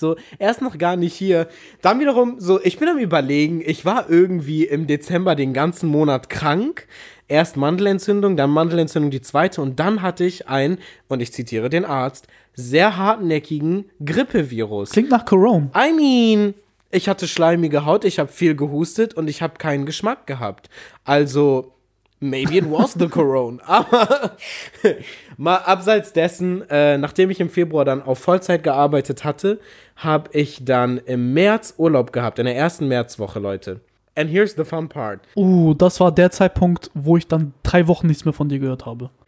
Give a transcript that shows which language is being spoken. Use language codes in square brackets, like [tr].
[de] So, er ist noch gar nicht hier. Dann wiederum, so, ich bin am Überlegen, ich war irgendwie im Dezember den ganzen Monat krank. Erst Mandelentzündung, dann Mandelentzündung die zweite und dann hatte ich ein, und ich zitiere den Arzt, sehr hartnäckigen Grippevirus. Klingt nach Corona. [en] I mean, [de] ich hatte schleimige Haut, ich habe viel gehustet und ich habe keinen Geschmack gehabt. [en] Also, maybe it was the Corona. [de] Aber mal abseits dessen, nachdem ich im Februar dann auf Vollzeit gearbeitet hatte, habe ich dann im März Urlaub gehabt, in der ersten Märzwoche, Leute. [en] And here's the fun part. [de] Das war der Zeitpunkt, wo ich dann 3 Wochen nichts mehr von dir gehört habe.